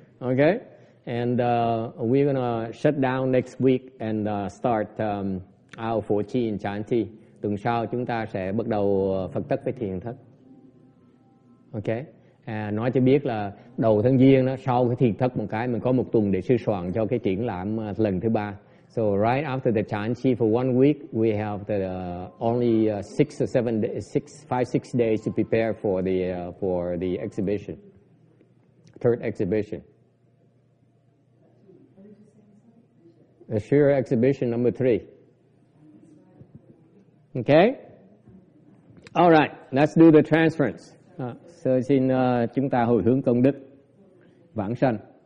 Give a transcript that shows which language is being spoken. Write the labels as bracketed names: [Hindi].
[English] Okay, and we're gonna shut down next week and start our 14 chanti. [Vietnamese] Tuần sau chúng ta sẽ bắt đầu Phật tất với thiền thất. Okay, nói cho biết là đầu tháng giêng đó, sau cái thiền thất một cái mình có một tuần để sư soạn cho cái triển lãm lần thứ ba. [English] So right after the chanti for one week, we have the only six days to prepare for the exhibition, third exhibition. The Shira exhibition number 3. Okay? All right, let's do the transference. [Vietnamese] Sơ xin chúng ta hồi hướng công đức vãng sanh.